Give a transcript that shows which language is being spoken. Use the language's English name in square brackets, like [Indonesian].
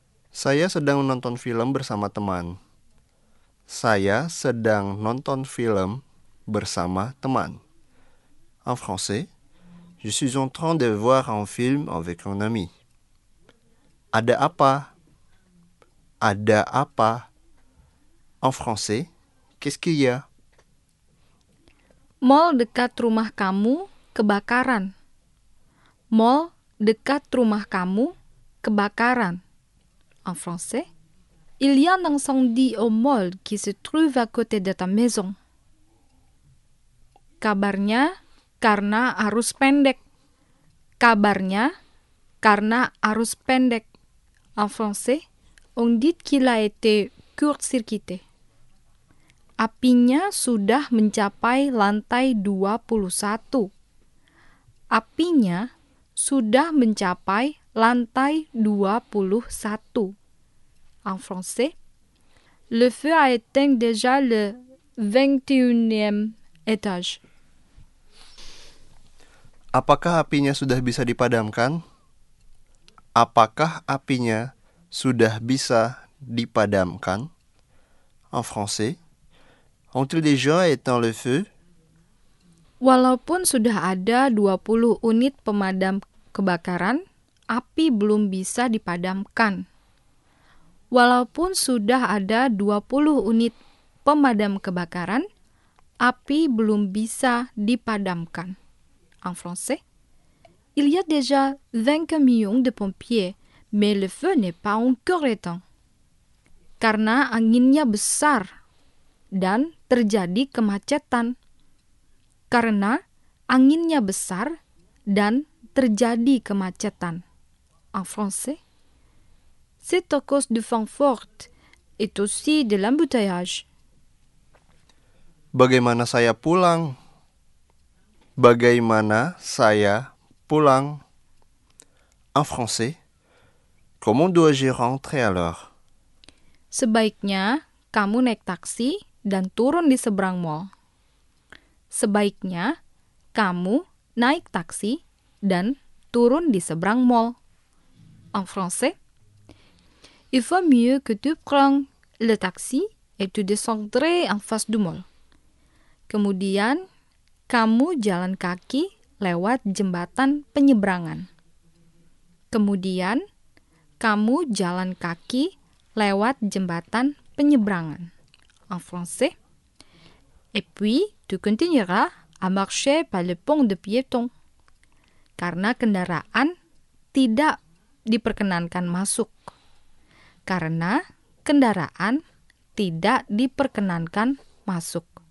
[Indonesian] Saya sedang nonton film bersama teman. Saya sedang nonton film bersama teman. [French] En français, je suis en train de voir un film avec un ami. [Indonesian] Ada apa? Ada apa? [French] En français, qu'est-ce qu'il y a? [Indonesian] Mall dekat rumah kamu kebakaran. Mall dekat rumah kamu kebakaran. [French] en français? Il y a un incendie au mall qui se trouve à côté de ta maison. [Indonesian] Kabarnya, karena arus pendek. Kabarnya, karena arus pendek. [French] En français, on dit qu'il a été court-circuité. [Indonesian] Apinya sudah mencapai lantai 21. Apinya sudah mencapai lantai 21. [French] En français, le feu a éteint déjà le 21e étage. [Indonesian] Apakah apinya sudah bisa dipadamkan? Apakah apinya sudah bisa dipadamkan? [French] En français, ont-ils déjà éteint le feu? [Indonesian] Walaupun sudah ada 20 unit pemadam kebakaran, api belum bisa dipadamkan. Walaupun sudah ada 20 unit pemadam kebakaran, api belum bisa dipadamkan. [French] En français, il y a déjà 20 camions de pompiers, mais le feu n'est pas encore éteint. [Indonesian] Karena anginnya besar dan terjadi kemacetan. Karena anginnya besar dan terjadi kemacetan. [French] En français, c'est à cause de vent fort et aussi de l'embouteillage. [Indonesian] Bagaimana saya pulang? Bagaimana saya pulang? [French] En français, comment dois-je rentrer alors? [Indonesian] Sebaiknya kamu naik taksi dan turun di seberang mall. Sebaiknya kamu naik taksi dan turun di seberang mall. [French] En français, il vaut mieux que tu prennes le taxi et tu descendes en face du mall. [Indonesian] Kemudian, kamu jalan kaki lewat jembatan penyeberangan. Kemudian, kamu jalan kaki lewat jembatan penyeberangan. [French] En français, et puis tu continueras à marcher par le pont de piéton. [Indonesian] Karena kendaraan tidak diperkenankan masuk. Karena kendaraan tidak diperkenankan masuk.